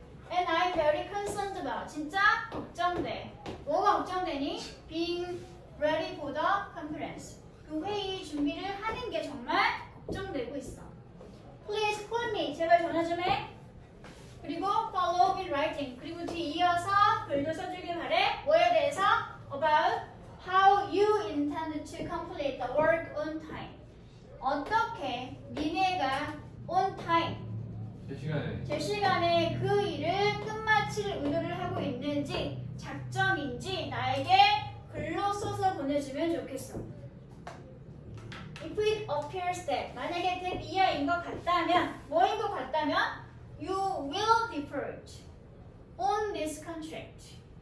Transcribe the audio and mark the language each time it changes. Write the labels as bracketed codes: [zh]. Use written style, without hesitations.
[en] And I'm very concerned about. [ko] 진짜 걱정돼. 뭐가 걱정되니? [en] Being ready for the conference. [ko] 그 회의 준비를 하는 게 정말 걱정되고 있어. [en] Please call me. [ko] 제발 전화 좀 해. 그리고 [en] follow up in writing. [ko] 그리고 뒤이어서 글도 써주길 바래. 뭐에 대해서? [en] About how you intend to complete the work on time. [ko] 어떻게 니네가 [en] on time. [ko] 제 시간에 그 일을 끝마칠 의도를 하고 있는지 작정인지 나에게 글로 써서 보내주면 좋겠어. [en] If it appears that [ko] 만약에 that 이하인 것 같다면 [en] 뭐인 것 같다면 you will default on this contract. contract.